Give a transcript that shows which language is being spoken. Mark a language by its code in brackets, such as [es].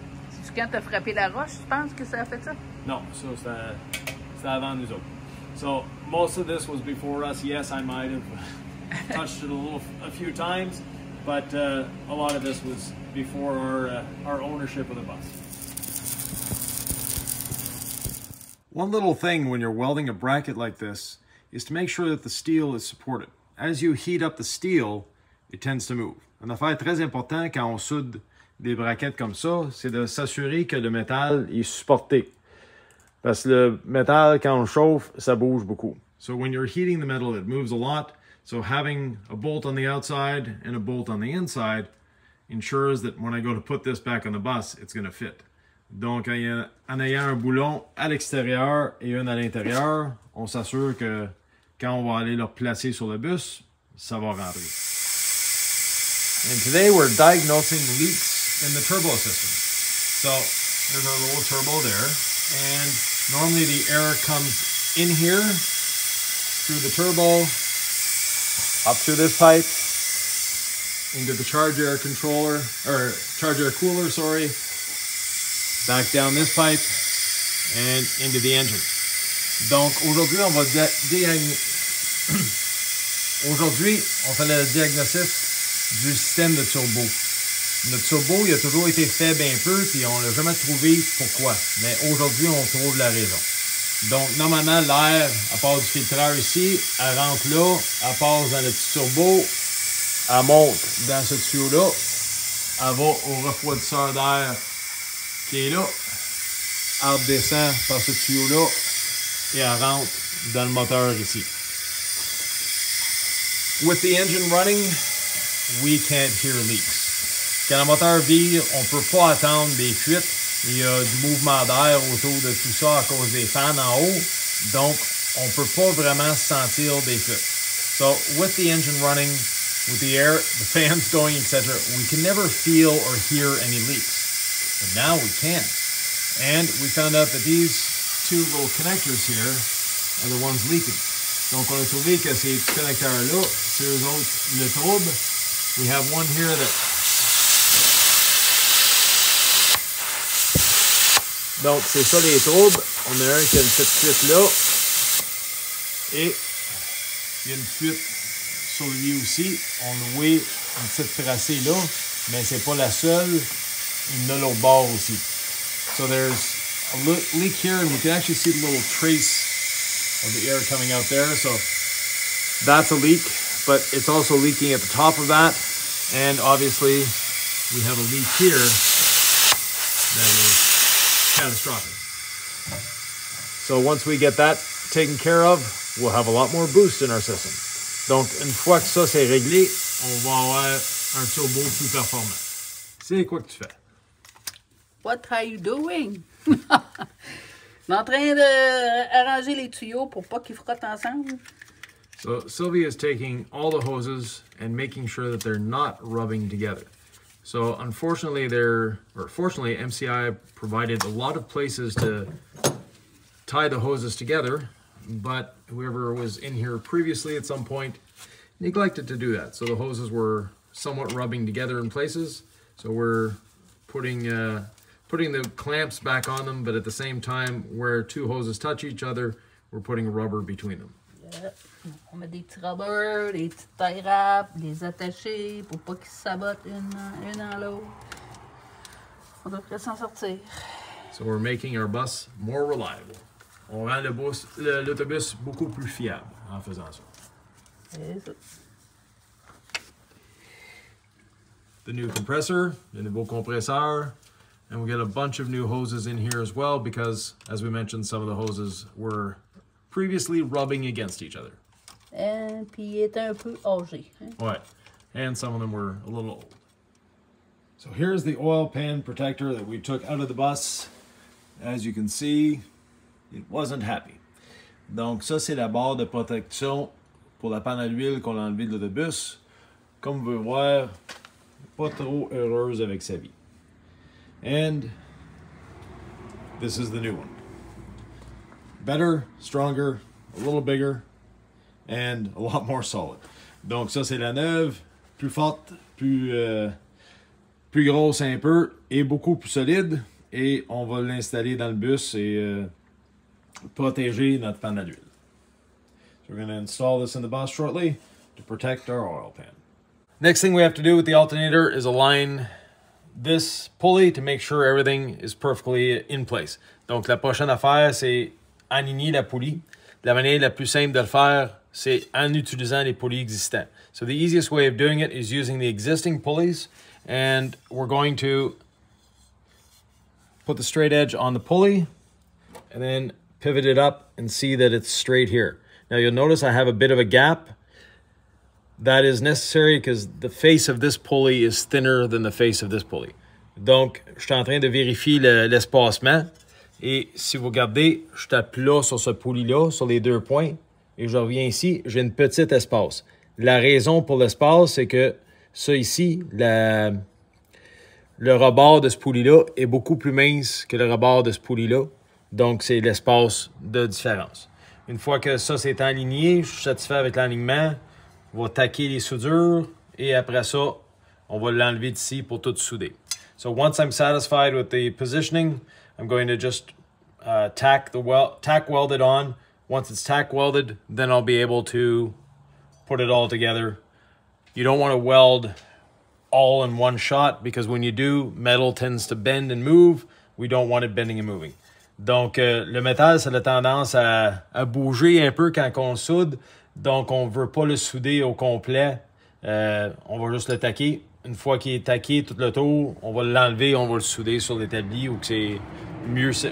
[fr] C'est quand t'as frappé la roche, tu penses que ça a fait ça? Non, so c'était avant nous autres. [en] So most of this was before us. Yes, I might have touched it a few times, but a lot of this was before our ownership of the bus. One little thing when you're welding a bracket like this is to make sure that the steel is supported. As you heat up the steel, it tends to move. [fr] Une affaire très importante quand on soude des braquettes comme ça, c'est de s'assurer que le métal est supporté. Parce que le métal, quand on chauffe, ça bouge beaucoup. [en] So when you're heating the metal, it moves a lot. So having a bolt on the outside and a bolt on the inside ensures that when I go to put this back on the bus, it's going to fit. [fr] Donc, en ayant un boulon à l'extérieur et un à l'intérieur, on s'assure que quand on va aller le placer sur le bus, ça va rentrer. [en] And today we're diagnosing leaks in the turbo system. So there's our little turbo there. And normally the air comes in here through the turbo, up through this pipe, into the charge air cooler, back down this pipe, and into the engine. [fr] Donc aujourd'hui on va fait le diagnostic du système de turbo. Notre turbo, il a toujours été faible un peu, puis on l'a jamais trouvé pourquoi. Mais aujourd'hui, on trouve la raison. Donc, normalement, l'air, à part du filtreur ici, elle rentre là, elle passe dans le petit turbo, elle monte dans ce tuyau-là, elle va au refroidisseur d'air qui est là, elle descend par ce tuyau-là, et elle rentre dans le moteur ici. [en] With the engine running, we can't hear leaks. [fr] Quand le moteur vire, on peut pas attendre des fuites. Il y a du mouvement d'air autour de tout ça à cause des fans en haut. Donc, on peut pas vraiment sentir des fuites. [en] So, with the engine running, with the air, the fans going, etc., we can never feel or hear any leaks. But now we can. And we found out that these two little connectors here are the ones leaking. [fr] Donc, on a trouvé que ces connecteurs-là, c'est eux autres le trouble. [en] We have one here that [fr] Donc c'est ça les troubles. On a un qui a une petite fuite là. Et il y a une fuite sur lui aussi. On le voit une petite tracée là. Mais c'est pas la seule. Il y en a l'autre bord aussi. [en] So there's a leak here and we can actually see the little trace of the air coming out there. So that's a leak, but it's also leaking at the top of that. And obviously we have a leak here that is catastrophic. So once we get that taken care of, we'll have a lot more boost in our system. [fr] Donc une fois que ça c'est réglé, on va avoir un turbo plus performant. C'est quoi que tu fais? [en] What are you doing? I'm [fr] en train de arranger les tuyaux pour pas qu'ils frottent ensemble. [en] So Sylvia is taking all the hoses and making sure that they're not rubbing together. So unfortunately, fortunately, MCI provided a lot of places to tie the hoses together, but whoever was in here previously at some point neglected to do that. So the hoses were somewhat rubbing together in places. So we're putting the clamps back on them, but at the same time, where two hoses touch each other, we're putting rubber between them. Yep. [fr] On met des petits rubbers, des petites tie wraps, les attacher pour pas qu'ils sabotent une dans l'autre. On devrait s'en sortir. [en] So we're making our bus more reliable. [fr] On rend l'autobus beaucoup plus fiable en faisant ça. C'est ça. [en] The new compressor, [fr] le nouveau compresseur. [en] And we got a bunch of new hoses in here as well because, as we mentioned, some of the hoses were previously rubbing against each other. [fr] And puis il était un peu âgé. Hein? Ouais. [en] And some of them were a little old. So here's the oil pan protector that we took out of the bus. As you can see, it wasn't happy. [fr] Donc ça c'est la barre de protection pour la panne à l'huile qu'on a enlevée de l'autobus. Comme vous pouvez voir, pas trop heureuse avec sa vie. [en] And this is the new one. Better, stronger, a little bigger, and a lot more solid. [fr] Donc ça c'est la neuve, plus forte, plus grosse un peu, et beaucoup plus solide. Et on va l'installer dans le bus et protéger notre panne à l'huile. [en] So we're gonna install this in the bus shortly to protect our oil pan. Next thing we have to do with the alternator is align this pulley to make sure everything is perfectly in place. [fr] Donc la prochaine affaire, c'est aligner la poulie. La manière la plus simple de le faire, c'est en utilisant les poulies existantes. [en] So the easiest way of doing it is using the existing pulleys, and we're going to put the straight edge on the pulley and then pivot it up and see that it's straight here. Now you'll notice I have a bit of a gap. That is necessary because the face of this pulley is thinner than the face of this pulley. [fr] Donc, je suis en train de vérifier l'espacement. Et si vous regardez, je tape là sur ce pulley-là, sur les deux points. Et je reviens ici, j'ai une petite espace. La raison pour l'espace, c'est que ça ici, le rebord de ce pulley-là est beaucoup plus mince que le rebord de ce pulley-là. Donc, c'est l'espace de différence. Une fois que ça s'est aligné, je suis satisfait avec l'alignement. On va taquer les soudures et après ça, on va l'enlever d'ici pour tout souder. [en] So once I'm satisfied with the positioning, I'm going to just tack weld it on. Once it's tack welded, then I'll be able to put it all together. You don't want to weld all in one shot because when you do, metal tends to bend and move. We don't want it bending and moving. [fr] Donc le métal, ça a tendance à bouger un peu quand on soude. Donc, on ne veut pas le souder au complet. On va juste le taquer. Une fois qu'il est taqué tout le tour, on va l'enlever et on va le souder sur l'établi ou qu'on est mieux situé.